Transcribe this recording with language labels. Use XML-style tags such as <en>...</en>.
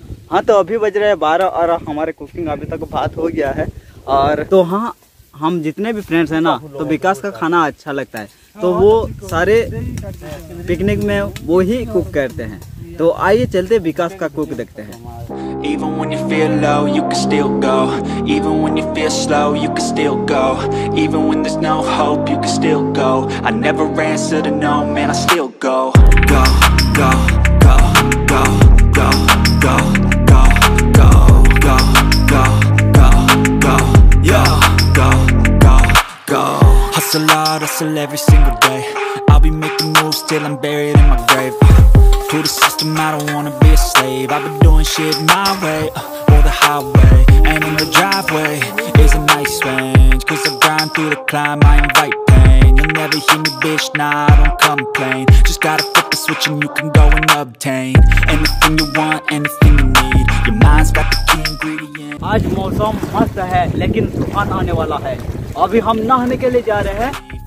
<hi>हाँ, तो अभी बज रहे हैं 12 और हमारे कुकिंग अभी तक भात हो गया है। और तो हाँ, हम जितने भी फ्रेंड्स हैं ना, तो विकास का खाना अच्छा लगता है, तो वो सारे पिकनिक में वो ही कुक करते हैं। तो आइए चलते विकास का कुक देखते हैं।</hi> <en>Even when you feel low, you can still go. Even when you feel slow, you can still go. Even when there's no hope, you can still go. I never answer to no, man, I still go. Go, go, go, go, go, go, go, go, go, go, go, go, yo, go, go, go. Hustle hard, hustle every single day. I'll be making moves till I'm buried in my grave. To the system, I don't wanna be a slave. I've been doing shit my way, or the highway. And in the driveway is a nice range. Cause I grind through the climb, I invite pain. You'll never hear me, bitch, nah, I don't complain. Just gotta flip the switch and you can go and obtain anything you want, anything you need. Your mind's got the key ingredient.</en> <hi>आज मौसम मस्त है, लेकिन तूफान आने वाला है। अभी हम नहाने के लिए जा रहे हैं।</hi>